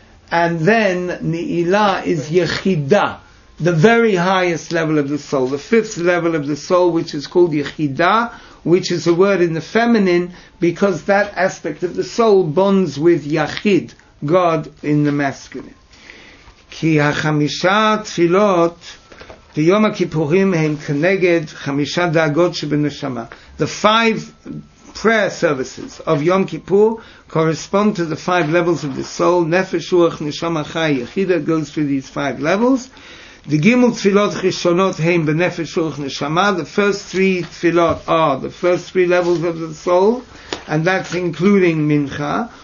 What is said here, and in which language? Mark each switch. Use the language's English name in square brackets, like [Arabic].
[English] And then Ni'ila is Yechida, the very highest level of the soul, the fifth level of the soul, which is called Yechida, which is a word in the feminine, because that aspect of the soul bonds with Yachid, God in the masculine. [Hebrew] Ki ha-chamisha tfilot ביום הכיפורים הם כנגד חמישה דאגות שבנשמה. [English] The five prayer services of Yom Kippur correspond to the five levels of the soul. Nefesh, Ruach, Neshama, Chaya, Yechida goes through these five levels. [Hebrew] The Gimel Tfilot Chishonot Heim B'Nefesh, Ruach, Neshama. [English] The first three Tfilot are the first three levels of the soul, and that's including Mincha.